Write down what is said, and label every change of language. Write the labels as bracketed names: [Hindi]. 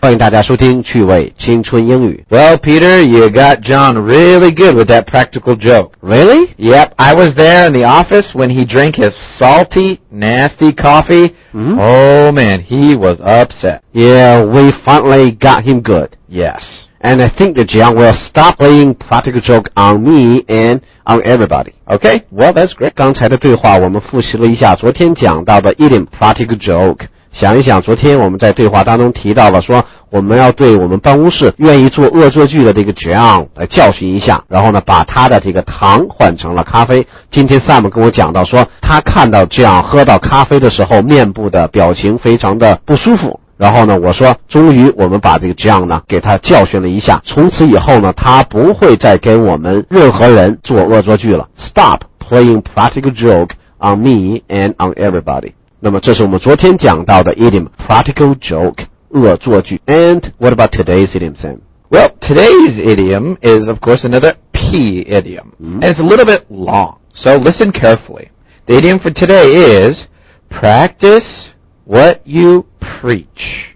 [Chinese] 欢迎大家收听趣味青春英语。 [English] Well, Peter, you got John really good with that practical joke. Really? Yep, I was there in the office when he drank his salty, nasty coffee.、 Mm-hmm. Oh, man, he was upset. Yeah, we finally got him good. Yes. And I think that John will stop playing practical joke on me and on everybody. Okay, well, that's great. [Chinese] 刚才的对话我们复习了一下昨天讲到的一点 practical joke。想一想昨天我们在对话当中提到了说我们要对我们办公室愿意做恶作剧的这个 John 来教训一下，然后呢把他的这个糖换成了咖啡。今天 Sam 跟我讲到说他看到 John 喝到咖啡的时候面部的表情非常的不舒服，然后呢我说终于我们把这个 John 呢给他教训了一下，从此以后呢他不会再跟我们任何人做恶作剧了。 [English] Stop playing practical joke on me and on everybody。 [Chinese] 那么这是我们昨天讲到的 idiom, practical joke, 恶作剧。 [English] And what about today's idiom, Sam? Well, today's idiom is, of course, another P idiom.、 Mm-hmm. And it's a little bit long, so listen carefully. The idiom for today is, practice what you preach.